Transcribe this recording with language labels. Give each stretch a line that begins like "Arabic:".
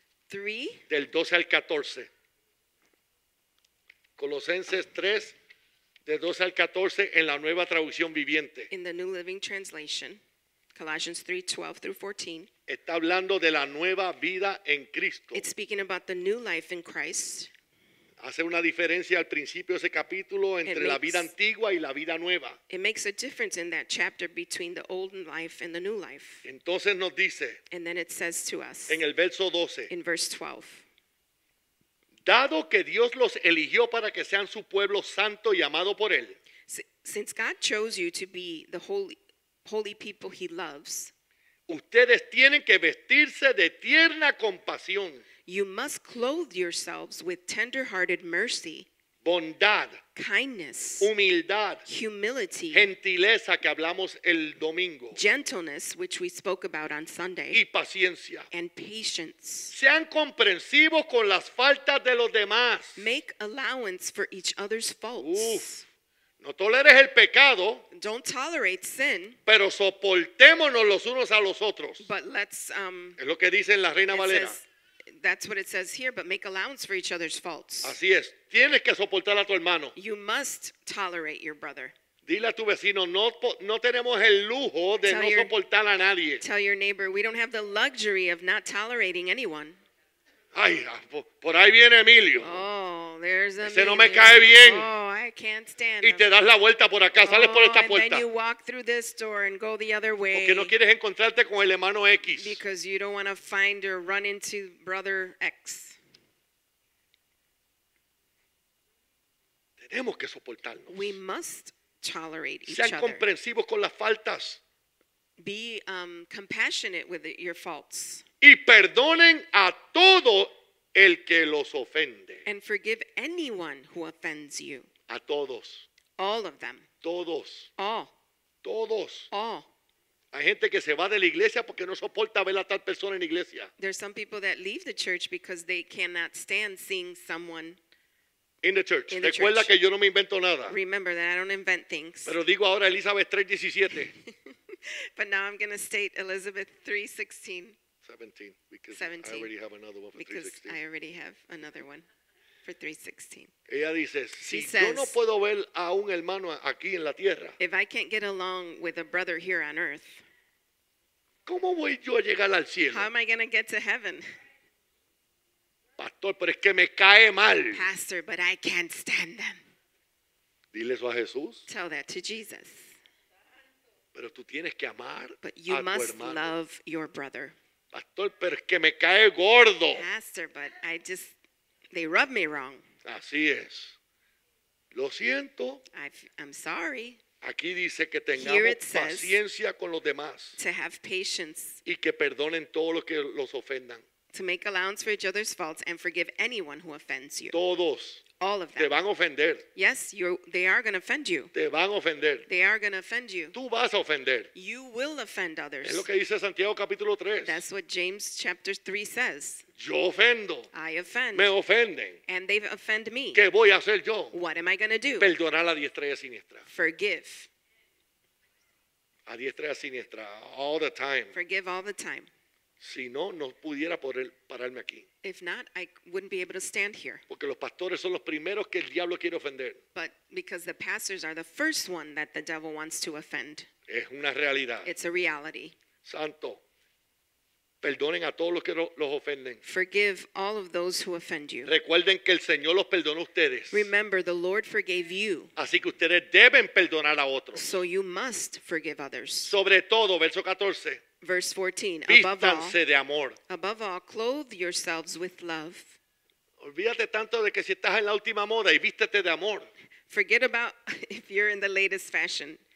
Spanish: 3. Del 12 al 14. Colosenses 3, de 12 al 14, en la Nueva Traducción Viviente.
English: In the New Living Translation, Colossians 3, 12 through 14.
Spanish: Está hablando de la nueva vida en Cristo.
English: It's speaking about the new life in Christ.
Spanish: Hace una diferencia al principio de ese capítulo entre la vida antigua y la vida nueva.
English: It makes a difference in that chapter between the old life and the new life.
Spanish: Entonces nos dice.
English: And then it says to us.
Spanish: En el verso 12.
English: In verse 12.
Spanish: Dado que Dios los eligió para que sean su pueblo santo y amado por él.
English: Since God chose you to be the holy people he loves.
Spanish: Ustedes tienen que vestirse de tierna compasión.
English: You must clothe yourselves with tender-hearted mercy.
Spanish: bondad,
English: kindness,
Spanish: humildad,
English: humility,
Spanish: gentileza, que hablamos el domingo,
English: gentleness, which we spoke about on Sunday,
Spanish: y paciencia,
English: and patience.
Spanish: Sean comprensivos con las faltas de los demás.
English: Make allowance for each other's faults.
Spanish: Uf. No toleres el pecado,
English: don't tolerate sin,
Spanish: pero soportémonos los unos a los otros.
English: But let's,
Spanish: es lo que dice en la Reina Valera.
English: Says, that's what it says here, but make allowance for each other's faults.
Spanish: Así es. Tienes que soportar a tu hermano.
English: You must tolerate your brother.
Spanish: Dile a tu vecino, no tenemos el lujo de no soportar a nadie.
English: Tell your neighbor, we don't have the luxury of not tolerating anyone.
Spanish: Ay, por ahí viene Emilio.
English: Oh, there's
Spanish: Emilio. Ese no me cae bien.
English: Oh, I can't stand
Spanish: him. Y te das la vuelta por acá, sales por esta puerta.
English: And then you walk through this door and go the other way.
Spanish: Porque no quieres encontrarte con el hermano X.
English: Because you don't want to find or run into brother X.
Spanish: Tenemos que soportarnos.
English: We must tolerate each
Spanish: other. Sean comprensivos con las faltas.
English: Be compassionate with your faults.
Spanish: Y perdonen a todo el que los ofende.
English: And forgive anyone who offends you.
Spanish: A todos.
English: All of them.
Spanish: Todos.
English: All.
Spanish: Todos.
English: All.
Spanish: Hay gente que se va de la iglesia porque no soporta ver a tal persona en la iglesia.
English: There's some people that leave the church because they cannot stand seeing someone in the church. In the
Spanish: Recuerda
English: church.
Spanish: Que yo no me invento nada.
English: Remember that I don't invent things.
Spanish: Pero digo ahora Elizabeth 3:17.
English: But now I'm going to state Elizabeth 3:16. 17, because 17. I already have another one for because 3:16. Because I already have another one for 3:16.
Spanish: Ella dice, si says, yo no puedo ver a un hermano aquí en la tierra,
English: if I can't get along with a brother here on earth,
Spanish: ¿cómo voy yo a llegar al cielo?
English: How am I going to get to heaven?
Spanish: Pastor, pero es que me cae mal.
English: Pastor, but I can't stand them.
Spanish: Dile eso a Jesús.
English: Tell that to Jesus.
Spanish: Pero tú tienes que amar a tu hermano.
English: But you must love your brother.
Spanish: Pastor, pero es que me cae gordo.
English: Pastor, but I just, they rub me wrong.
Spanish: Así es. Lo siento.
English: I'm sorry.
Spanish: Aquí dice que tengamos paciencia con los demás.
English: To have patience.
Spanish: Y que perdonen todo lo que los ofendan.
English: To make allowance for each other's faults and forgive anyone who offends you.
Spanish: Todos.
English: All of them.
Spanish: Te van a ofender.
English: Yes, they are going to offend you.
Spanish: Te van a ofender.
English: They are going to offend you.
Spanish: Tú vas a ofender.
English: You will offend others.
Spanish: Es lo que dice Santiago capítulo 3.
English: That's what James chapter 3 says.
Spanish: Yo ofendo.
English: I offend.
Spanish: Me ofenden.
English: And they offend me.
Spanish: ¿Qué voy a hacer yo?
English: What am I going to do?
Spanish: Perdonar a diestra y a siniestra.
English: Forgive.
Spanish: A diestra y a siniestra.
English: All the time. Forgive all the time.
Spanish: Si no, no pudiera poder pararme aquí.
English: If not, I wouldn't be able to stand here.
Spanish: Porque los pastores son los primeros que el diablo quiere ofender.
English: But because the pastors are the first one that the devil wants to offend.
Spanish: Es una realidad.
English: It's a reality.
Spanish: Santo, perdonen a todos los que los ofenden.
English: Forgive all of those who offend you.
Spanish: Recuerden que el Señor los perdonó a ustedes.
English: Remember, the Lord forgave you.
Spanish: Así que ustedes deben perdonar a otros.
English: So you must forgive others.
Spanish: Sobre todo, verso 14.
English: Verse 14,
Spanish: Vístanse
English: above all,
Spanish: de amor.
English: Above all, clothe yourselves with love.
Spanish: Olvídate tanto de que si estás en la última moda y vístete de amor.
English: Forget about if you're in the latest fashion.